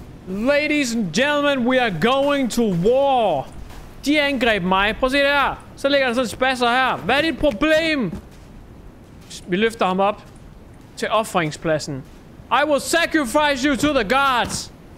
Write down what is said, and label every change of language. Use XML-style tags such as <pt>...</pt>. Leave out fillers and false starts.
<en>Ladies and gentlemen, we are going to war.</en> <da>De angreb mig. Prøv at se det her. Så ligger der sådan en spasser her. Hvad er dit problem? Vi løfter ham op til offringspladsen.</da> <en>I will sacrifice you to the gods.</en>